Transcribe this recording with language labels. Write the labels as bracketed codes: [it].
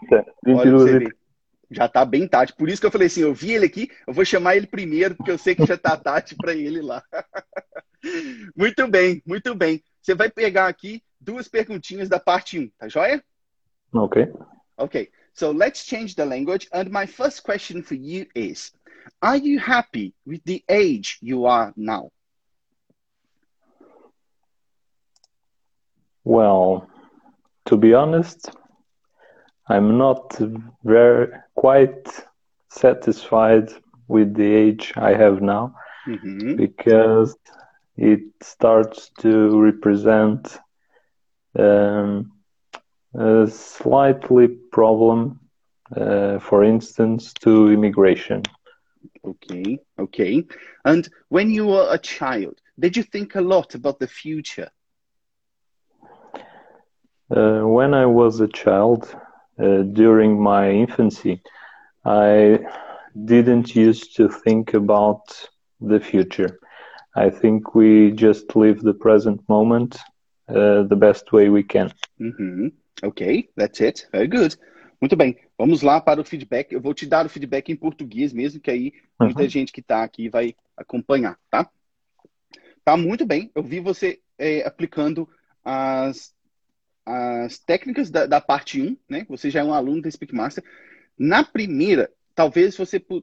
[pt] 30, olha pra você ver. Já tá bem tarde. Por isso que eu falei assim, eu vi ele aqui, eu vou chamar ele primeiro, porque eu sei que já tá tarde pra ele lá. Muito bem, muito bem. Você vai pegar aqui duas perguntinhas da parte 1, tá joia? Ok. [en] Ok. So let's change the language. And my first question for you is, are you happy with the age you are now? Well, to be honest, I'm not very quite satisfied with the age I have now, mm-hmm. because it starts to represent a slightly problem, for instance, to immigration. Okay. And when you were a child, did you think a lot about the future? When I was a child, during my infancy, I didn't used to think about the future. I think we just live the present moment the best way we can. Mm-hmm. Okay, that's it. Very good. [pt] Muito bem. Vamos lá para o feedback. Eu vou te dar o feedback em português mesmo, que aí muita uh-huh. gente que está aqui vai acompanhar, tá? Tá muito bem. Eu vi você aplicando as técnicas da parte 1, né? Você já é um aluno da Speakmaster. Na primeira, talvez você...